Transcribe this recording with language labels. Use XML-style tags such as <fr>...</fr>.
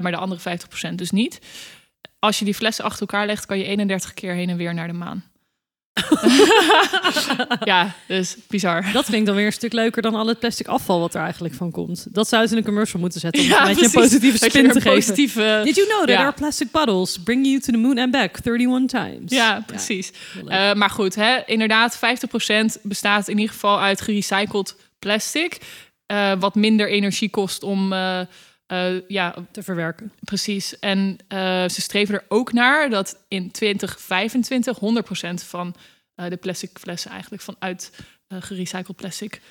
<nl>Maar de andere 50% dus niet. Als je die flessen achter elkaar legt, kan je 31 keer heen en weer naar de maan. Ja, dus bizar. Dat vind ik dan weer een stuk leuker dan al het plastic afval wat er eigenlijk van komt. Dat zou ze in een commercial moeten zetten. Om een beetje een positieve spin te geven. Positieve...</nl> <en>Did you know that our plastic bottles bring you to the moon and back 31 times?</en> <nl>Ja, precies. Ja, maar goed, hè, inderdaad, 50% bestaat in ieder geval uit gerecycled plastic. Wat minder energie kost om... te verwerken. Precies. En ze streven er ook naar dat in 2025 100% van de plastic flessen eigenlijk vanuit gerecycled plastic</nl>